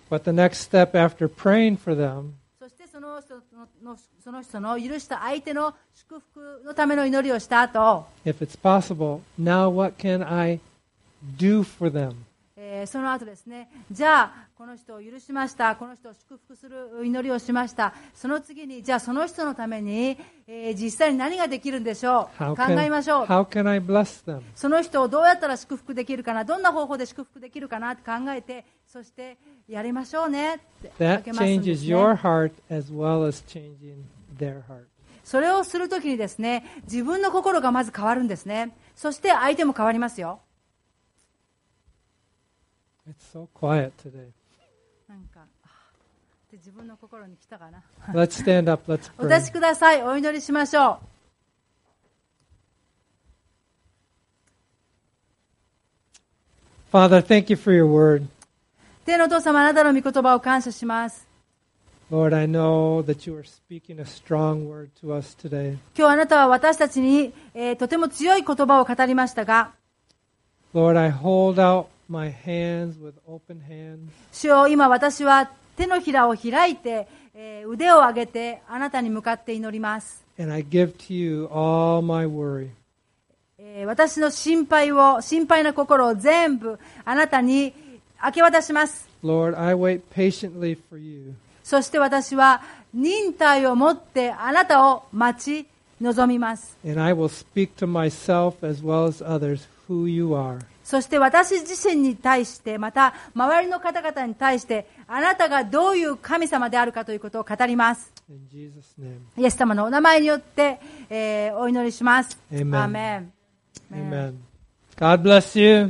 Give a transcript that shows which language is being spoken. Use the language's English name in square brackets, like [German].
[English] But the next step after praying for them, [Japanese] そしてその人の許した相手の祝福のための祈りをした後、 [English] If it's possible, now what can I do for them? [Japanese] その後ですね、じゃあこの人を許しました、この人を祝福する祈りをしました、その次にじゃあその人のために、実際に何ができるんでしょう、考えましょう。 [English] How can I bless them? [Japanese] その人をどうやったら祝福できるかな、どんな方法で祝福できるかなって考えて、そしてやりましょうねって。 [English] That changes your heart as well as changing their heart. [Japanese] それをするときにですね、自分の心がまず変わるんですね。そして相手も変わりますよ。 [English] It's so quiet today. [Japanese] なんか、自分の心に来たかな。 [English] Let's stand up. Let's pray. [Japanese] お立ちください。お祈りしましょう。 [English] Father, thank you for your word. [Japanese] 天のお父様、あなたの御言葉を感謝します。 [English] Lord, I know that you are speaking a strong word to us today. [Japanese] 今日あなたは私たちに、とても強い言葉を語りましたが、 [English] Lord, I hold out. My hands with open hands. [Japanese] 主よ、今私は手のひらを開いて、腕を上げてあなたに向かって祈ります。 [English] And I give to you all my worry. [Japanese] 私の心配を、心配な心を全部あなたに明け渡します。 [English] Lord, I wait patiently for you. [Japanese] そして私は忍耐を持ってあなたを待ち望みます。 [English] And I will speak to myself as well as others who you are. [Japanese] そして私自身に対して、また周りの方々に対して、あなたがどういう神様であるかということを語ります。イエス様のお名前によって、お祈りします。 [English] アーメン。Amen. God bless you.